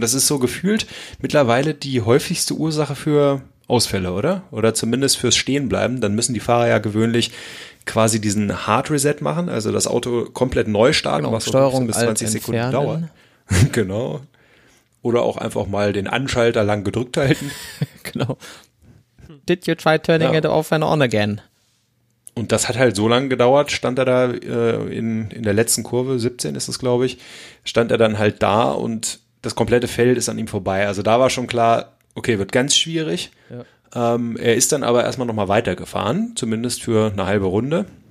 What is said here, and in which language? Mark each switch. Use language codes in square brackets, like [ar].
[de] Das ist so gefühlt mittlerweile die häufigste Ursache für Ausfälle, oder? Oder zumindest fürs Stehenbleiben. Dann müssen die Fahrer ja gewöhnlich quasi diesen Hard Reset machen, also das Auto komplett neu starten, genau, was Steuerung so bis 20 entfernen. Sekunden dauert. Genau. Oder auch einfach mal den Anschalter lang gedrückt halten. Genau. [en] Did you try turning it off and on again? [de] Und das hat halt so lange gedauert, stand er da in der letzten Kurve, 17 ist es, glaube ich, stand er dann halt da und das komplette Feld ist an ihm vorbei. Also da war schon klar, okay, wird ganz schwierig. Ja. Er ist dann aber erstmal nochmal weitergefahren, zumindest für eine halbe Runde.